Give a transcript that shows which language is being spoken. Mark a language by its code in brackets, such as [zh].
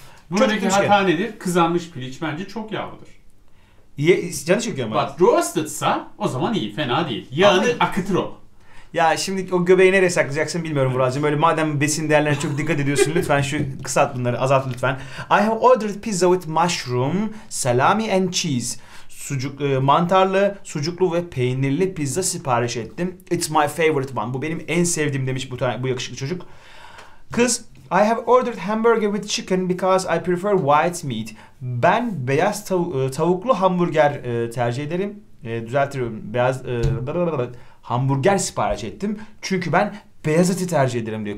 [tr] Buradaki hata nedir? Kızarmış piliç bence çok yağlıdır. Canı çekiyor mu? [en] But roasted'sa [tr] o zaman iyi, fena değil. Yağını akıtır o. Ya şimdi o göbeği nereye saklayacaksın bilmiyorum Buracığım. Böyle madem besin değerlerine çok dikkat ediyorsun, lütfen şu kısalt bunları, azalt lütfen. [en] I have ordered pizza with mushroom, salami and cheese. [tr] Sucuk, mantarlı, sucuklu ve peynirli pizza sipariş ettim. [en] It's my favorite one. [tr] Bu benim en sevdiğim demiş bu yakışıklı çocuk. [en] Kız, I have ordered hamburger with chicken because I prefer white meat. [tr] Ben beyaz tavuklu hamburger tercih ederim. Düzeltiyorum. Beyaz hamburger sipariş ettim. Çünkü ben beyaz eti tercih ederim diyor.